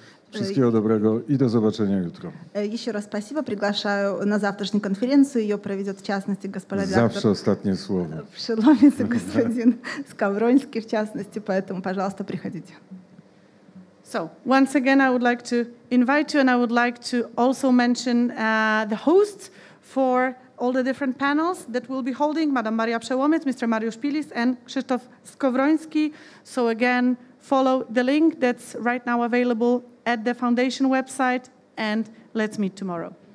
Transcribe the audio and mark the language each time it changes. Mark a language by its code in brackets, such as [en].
[pl] Wszystkiego dobrego i do zobaczenia jutro. Jeszcze raz [ru] спасибо. Приглашаю на завтрашнюю конференцию. Ее проведет в частности господин. Завтра остатнее слово. Пшеломец и господин Скавронский в частности, поэтому, пожалуйста, приходите. [en] So once again, I would like to invite you, and I would like to also mention the hosts for all the different panels that we'll be holding: Madame Maria Przełomiec, Mr. Mariusz Pilis, and Krzysztof Skowroński. So again, follow the link that's right now available at the foundation website, and let's meet tomorrow.